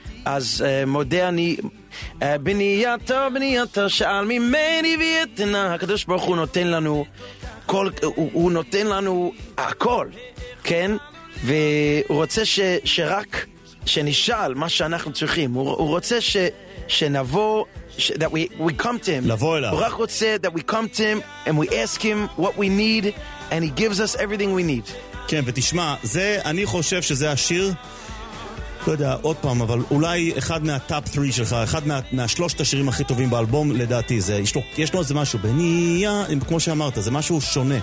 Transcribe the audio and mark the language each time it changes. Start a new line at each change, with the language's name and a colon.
Hebrew: אז מודה אני בנייתו, בנייתו שאל ממני ויתנה. הקדוש ברוך הוא נותן לנו כל, הוא נותן לנו הכל, כן? והוא רוצה שרק שנשאל מה שאנחנו צריכים. הוא רוצה שנבוא,
English: that we come to him.
Hebrew: לבוא אליו. הוא רק רוצה
English: that we come to him and we ask him what we need and he gives us everything we need.
Hebrew: כן, ותשמע, זה, אני חושב שזה השיר, לא יודע, עוד פעם, אבל אולי אחד מהטאפ 3 שלך, אחד מהשלושת השירים הכי טובים באלבום, לדעתי, זה, יש לו איזה משהו, בנייה, כמו שאמרת, זה משהו שונה.